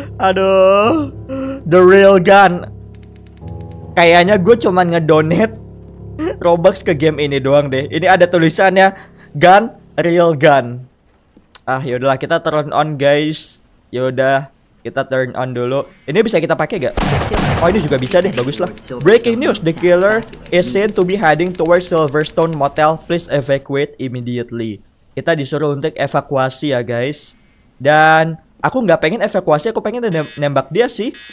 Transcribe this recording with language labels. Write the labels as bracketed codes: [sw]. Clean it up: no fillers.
[id] Aduh, [en] the real gun. [id] Kayaknya gue cuman ngedonate Robux ke game ini doang deh. Ini ada tulisannya gun, real gun. Ah, yaudahlah, kita [en] turn on guys. [id] Yaudah, kita turn on dulu. Ini bisa kita pakai gak? Oh, ini juga bisa deh, bagus lah. [en] Breaking news, the killer is seen to be hiding towards Silverstone Motel. Please evacuate immediately. [id] Kita disuruh untuk evakuasi ya guys. Dan aku gak pengen evakuasi, aku pengen nembak dia sih.